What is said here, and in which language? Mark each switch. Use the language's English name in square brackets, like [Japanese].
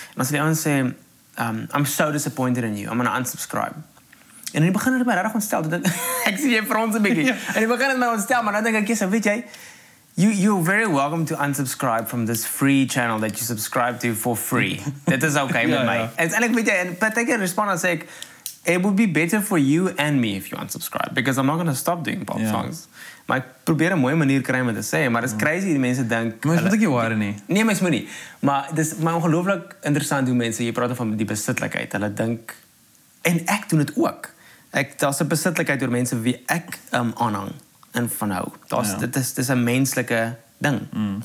[Afrikaans] En as die ouens sê, [English] I'm so disappointed in you. I'm gonna unsubscribe. [Afrikaans] En in die begin het my regtig ontstel. Ek sien jy frons 'n bietjie. En die begin het my ontstel, maar dan dink ek, so weet jy, [English] you're very welcome to unsubscribe from this free channel that you subscribe to for free. That is okay yeah, with me. Yeah. And like, but I can respond and say, it would be better for you and me if you unsubscribe because I'm not going to stop doing pop yeah. songs. [Afrikaans] Maar ek probeer 'n mooie manier kry om dit te sê, maar dit is crazy die mense dink. Mens moet ek jou ware nie. Nee, mens moet nie. Maar dis my ongelooflik interessant hoe mense, jy praat van die besitlikheid. Hulle dink en ek doen dit ook. Ek daar's 'n besitlikheid oor mense wie ek aanhang. En van nou, dit is 'n menslike ding. Mm.